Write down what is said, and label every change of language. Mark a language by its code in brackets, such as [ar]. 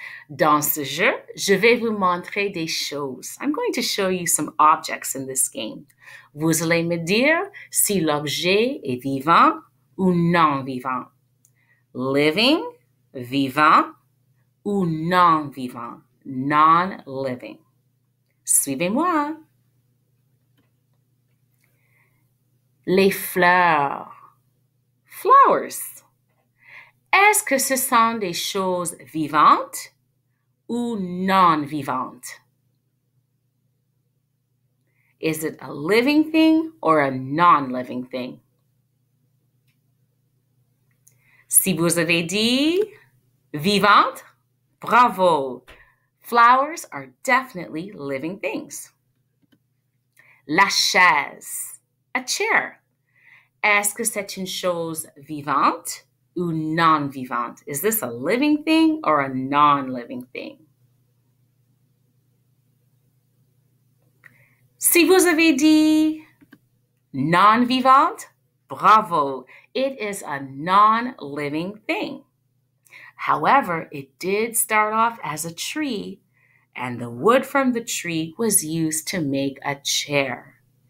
[fr] Dans ce jeu, je vais vous montrer des choses. [en] I'm going to show you some objects in this game. [fr] Vous allez me dire si l'objet est vivant ou non vivant. Living, vivant, ou non-vivant, non-living. Suivez-moi. Les fleurs. Flowers. Est-ce que ce sont des choses vivantes ou non-vivantes? [en] Is it a living thing or a non-living thing? [fr] Si vous avez dit vivante, bravo. [en] Flowers are definitely living things. [fr] La chaise, [en] a chair. [fr] Est-ce que c'est une chose vivante ou non-vivante? [en] Is this a living thing or a non-living thing? [fr] Si vous avez dit non-vivante, bravo. [en] It is a non-living thing. However, it did start off as a tree, and the wood from the tree was used to make a chair.